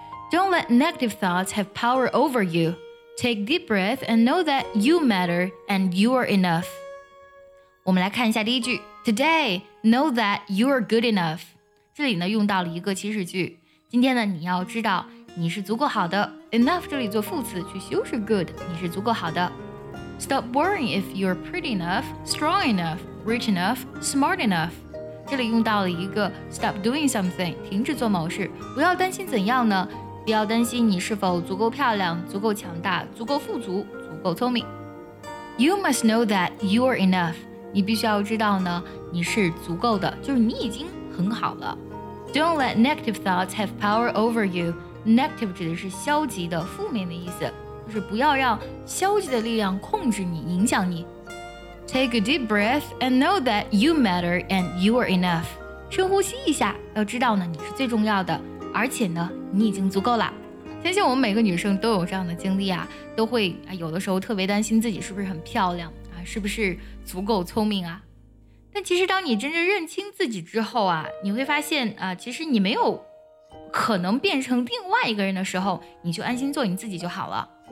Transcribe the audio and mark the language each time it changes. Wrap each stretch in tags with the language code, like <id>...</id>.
<en>Don't let negative thoughts have power over you. Take deep breath and know that you matter and you are enough.</en> <zh>我们来看一下第一句。</zh> <en>Today, know that you are good enough.</en> <zh>这里呢用到了一个祈使句，今天呢你要知道你是足够好的。 enough 这里做副词去修饰 good， 你是足够好的。</zh> <en>Stop worrying if you're pretty enough, strong enough, rich enough, smart enough。</en> <zh>这里用到了一个</zh> <en>stop doing something，</en> <zh>停止做某事，不要担心怎样呢，不要担心你是否足够漂亮、足够强大、足够富足、足够聪明。</zh> <en>You must know that you are enough，</en> <zh>你必须要知道呢你是足够的，就是你已经很好了。</zh> <en>Don't let negative thoughts have power over you.</en> <zh>Negative 指的是消极的、负面的意思，就是不要让消极的力量控制你、影响你。</zh> <en>Take a deep breath and know that you matter and you are enough.</en> <zh>深呼吸一下，要知道呢你是最重要的，而且呢你已经足够了。相信我们每个女生都有这样的经历啊，都会有的时候特别担心自己是不是很漂亮啊，是不是足够聪明啊。但其实当你真正认清自己之后啊，你会发现啊，其实你没有可能变成另外一个人的时候，你就安心做你自己就好了。</zh>